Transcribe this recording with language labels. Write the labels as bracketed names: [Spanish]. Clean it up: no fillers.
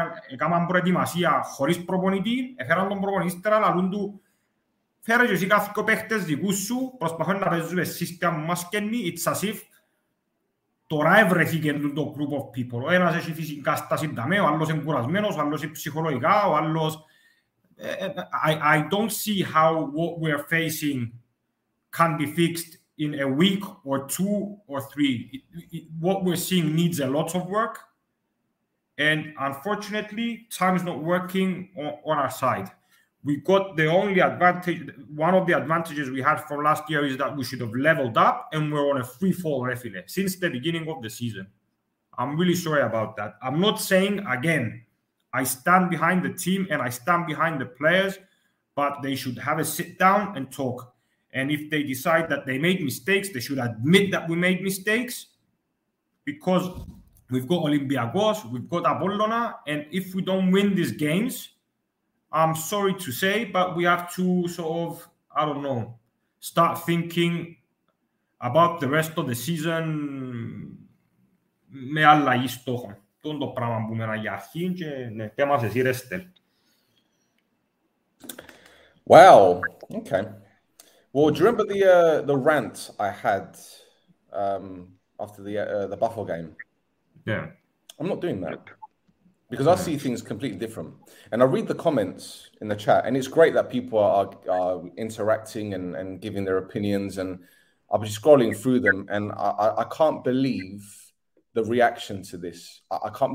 [Greek] Έκαναν προετοιμασία χωρίς προπονητή. Έφεραν τον προπονητή ύστερα, λαλούν του φέρε και εσύ κάθε δύο παίχτες δικούς σου, προσπαθούν να παίζουν σύστημα που μας καίνει. [English] It's as if [Greek] τώρα έβρεθηκε το [English] group of people. [Greek] Ο ένας έχει φυσική κατάσταση δαμέ, ο άλλος είναι κουρασμένος, ο άλλος είναι ψυχολογικά, ο άλλος... [English] I don't see how what we're facing can be fixed in a week or two or three. What we're seeing needs a lot of work. And unfortunately, time is not working on our side. We got the only advantage, one of the advantages we had from last year is that we should have leveled up and we're on a free fall, Refile, since the beginning of the season. I'm really sorry about that. I'm not saying, again, I stand behind the team and I stand behind the players, but they should have a sit down and talk. And if they decide that they made mistakes, they should admit that we made mistakes, because we've got Olympiacos, we've got Apollona, and if we don't win these games, I'm sorry to say, but we have to sort of, I don't know, start thinking about the rest of the season [Greek] με αλλαγή στόχων. Τον το πράγμα που μένα για αρχή και ναι, θέμας εσύ ρε Στέλ. [English] Well, okay. Well, do you remember the rant I had after the Buffalo game? Yeah. I'm not doing that. Because I see things completely different. And I read the comments in the chat, and it's great that people are interacting and giving their opinions, and I'll be scrolling through them, and I can't believe the reaction to this. I can't.